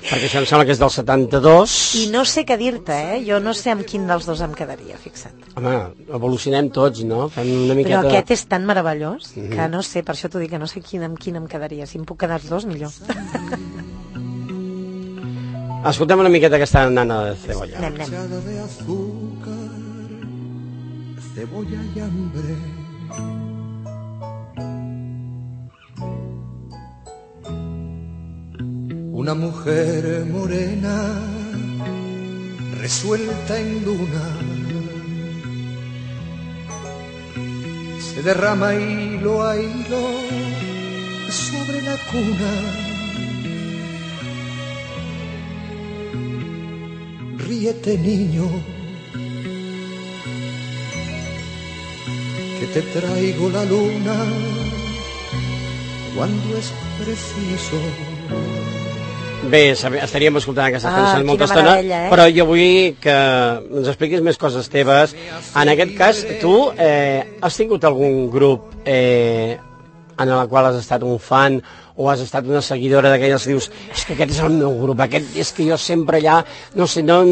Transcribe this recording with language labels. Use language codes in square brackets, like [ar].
[ca] Perquè això em sembla que és del 72. I no sé què dir-te, eh? Jo no sé amb quin dels dos em quedaria, fixa't. Home, evolucionem tots, no? Fem una miqueta... Però aquest és tan meravellós que no sé, per això t'ho dic, que no sé quin, amb quin em quedaria. Si em puc quedar els dos, millor. Escoltem una miqueta aquesta nana de cebolla. [es] Manchada de azúcar, cebolla y hambre. Una mujer morena, resuelta en luna, se derrama hilo a hilo sobre la cuna. Ríete, niño, que te traigo la luna cuando es preciso. [ca] Bé, estaríem escoltant aquesta cançó molta estona, però jo vull que ens expliquis més coses teves. En aquest cas, tu has tingut algun grup en el qual has estat un fan o has estat una seguidora d'aquelles que dius és que aquest és el meu grup, aquest és que jo sempre allà, no sé, no